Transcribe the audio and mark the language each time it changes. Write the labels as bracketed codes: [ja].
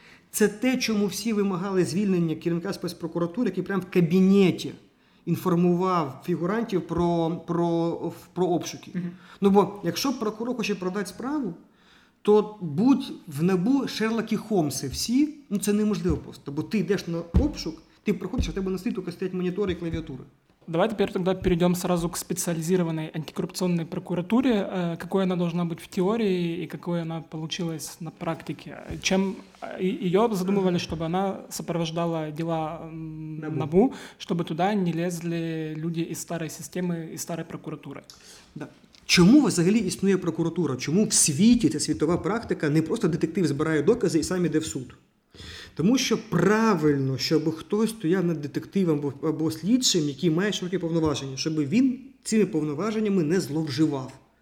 [uk] Це те, чому всі вимагали звільнення керівника спецпрокуратури, який прямо в кабінеті інформував фігурантів про обшуки. Угу. Ну бо якщо прокурор хоче продати справу, то будь в НАБУ Шерлок і Холмси всі, ну це неможливо просто, бо ти йдеш на обшук, ти приходиш, а в тебе на стіл тільки стоять монітори і клавіатури. [ru] Давай теперь тогда перейдем сразу к специализированной антикоррупционной прокуратуре. Какой она должна быть в теории и какой она получилась на практике? Чем ее задумывали, чтобы она сопровождала дела НАБУ, чтобы туда не лезли люди из старой системы, из старой прокуратуры? Да. [uk] Чому взагалі існує прокуратура? Чому в світі ця світова практика не просто детектив збирає докази і сам іде в суд? Тому що правильно, щоб хтось стояв над детективом або слідчим, який має широкі повноваження, щоб він цими повноваженнями не зловживав.